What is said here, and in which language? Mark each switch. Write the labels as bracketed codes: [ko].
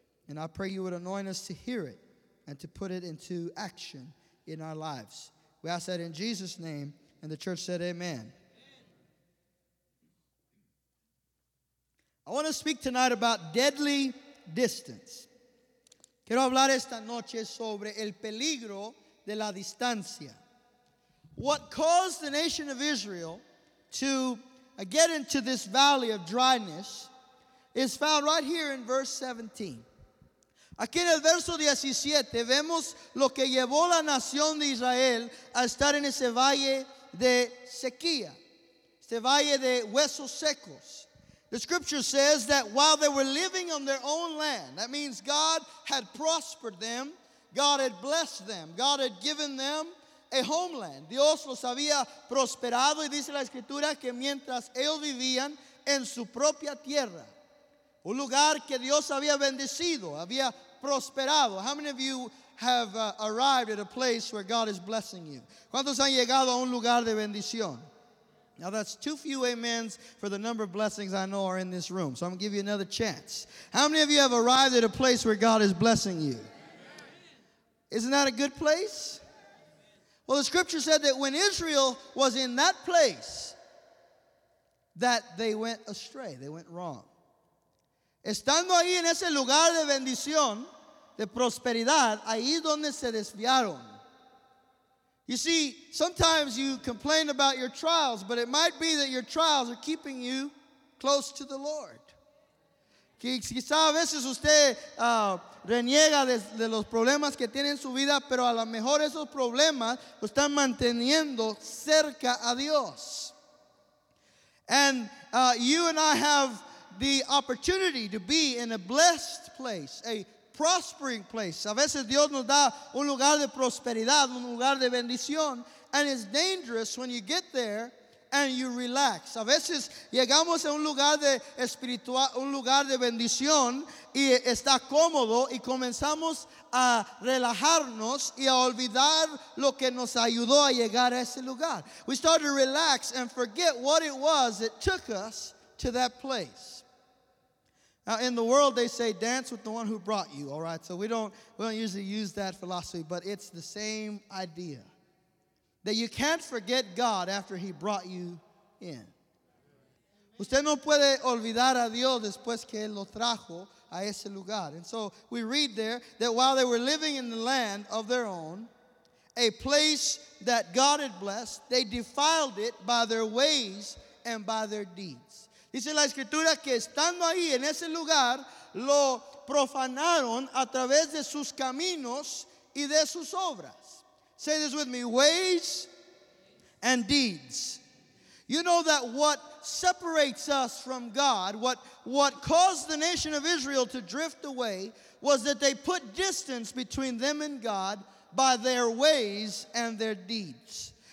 [en] And I pray you would anoint us to hear it and to put it into action in our lives. We ask that in Jesus' name. And the church said, Amen. Amen. I want to speak tonight about deadly distance. [es] Quiero hablar esta noche sobre el peligro de la distancia. [en] What caused the nation of Israel to get into this valley of dryness is found right here in verse 17. [es] Aquí en el verso 17 vemos lo que llevó la nación de Israel a estar en ese valle de sequía, este valle de huesos secos. [en] The scripture says that while they were living on their own land, that means God had prospered them, God had blessed them, God had given them a homeland. [es] Dios los había prosperado, y dice la escritura que mientras ellos vivían en su propia tierra, un lugar que Dios había bendecido, había prosperado. [en] How many of you have arrived at a place where God is blessing you? [es] ¿Cuántos han llegado a un lugar de bendición? [en] Now that's too few amens for the number of blessings I know are in this room, so I'm going to give you another chance. How many of you have arrived at a place where God is blessing you? Isn't that a good place? Well, the scripture said that when Israel was in that place, that they went astray, they went wrong. [es] Estando ahí en ese lugar de bendición, de prosperidad, ahí donde se desviaron. [en] You see, sometimes you complain about your trials, but it might be that your trials are keeping you close to the Lord. [es] Quizás a veces usted reniega de los problemas que tiene en su vida, pero a lo mejor esos problemas lo están manteniendo cerca a Dios. [en] And you and I have the opportunity to be in a blessed place, a prospering place. [es] A veces Dios nos da un lugar de prosperidad, un lugar de bendición, [en] and it's dangerous when you get there and you relax. [es] A veces llegamos a un lugar de espiritual, un lugar de bendición, y está cómodo, y comenzamos a relajarnos y a olvidar lo que nos ayudó a llegar a ese lugar. [en] We start to relax and forget what it was that took us to that place. Now, in the world, they say dance with the one who brought you. All right, so we don't usually use that philosophy, but it's the same idea. That you can't forget God after he brought you in. [es] Usted no puede olvidar a Dios después que él lo trajo a ese lugar. [en] And so we read there that while they were living in the land of their own, a place that God had blessed, they defiled it by their ways and by their deeds. [es] Dice la escritura que estando ahí en ese lugar lo profanaron a través de sus caminos y de sus obras. [en] Say this with me, ways and deeds. You know that what separates us from God, what caused the nation of Israel to drift away, was that they put distance between them and God by their ways and their deeds.